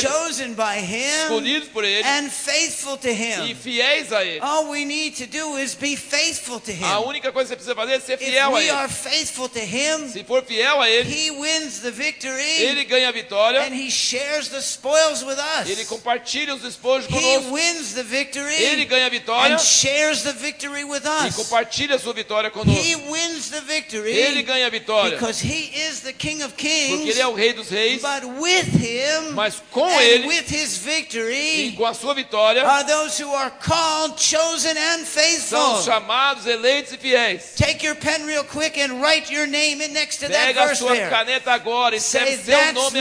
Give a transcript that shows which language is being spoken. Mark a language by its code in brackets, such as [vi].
[en] Chosen by him. [pt] Escolhidos por ele, [en] and faithful to him. [pt] E fiéis a ele. [en] All we need to do is be faithful to him. [pt] A única coisa que você precisa fazer é ser fiel a ele. [en] If we are faithful to him, [pt] se for fiel a ele, [en] he wins the victory. [pt] Ele ganha a vitória. [en] And he shares the spoils with us. [pt] Ele compartilha os despojos conosco. [en] He wins the victory. [pt] Ele ganha a vitória. [en] And shares the victory with us. [pt] E compartilha a sua vitória conosco. [en] He wins the victory. [pt] Ele ganha a vitória. [en] Because he is the King of kings. [pt] Porque ele é o rei dos reis. [en] But with him, [pt] mas com [en] and [pt] ele, [en] with his victory, [pt] e com a sua vitória, [en] are those who are called, chosen, and faithful. [pt] São chamados, eleitos e fiéis. [en] Take your pen real quick and write your name in next to [pt] pega [en] that verse there. [pt] Pega sua caneta agora e escreve seu nome